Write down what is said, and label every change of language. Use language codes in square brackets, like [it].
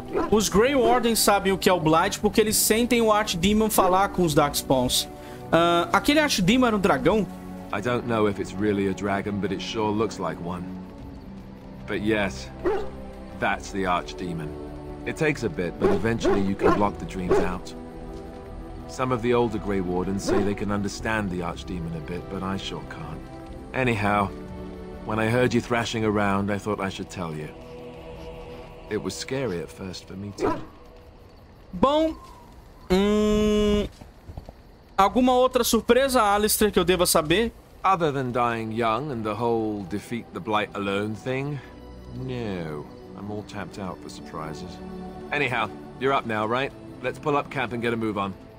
[pt] Os Grey Warden sabem o que é o Blight porque eles sentem o Archdemon falar com os Darkspawns. Aquele Archdemon era um dragão? [en] I don't know if it's really a dragon, but it sure looks like one. But yes, that's the Archdemon. It takes a bit, but eventually you can block the dreams out. Some of the older Grey Wardens say they can understand the Archdemon a bit, but I sure can't. Anyhow, when I heard you thrashing around, I thought I should tell you. It was scary at first for me too. [pt] Bom, alguma outra surpresa, Alistair, que eu deva saber? [en] Other than dying young and the whole defeat the blight alone thing? No, I'm all tapped out for surprises. Anyhow, you're up now, right? Let's pull up camp and get a move on.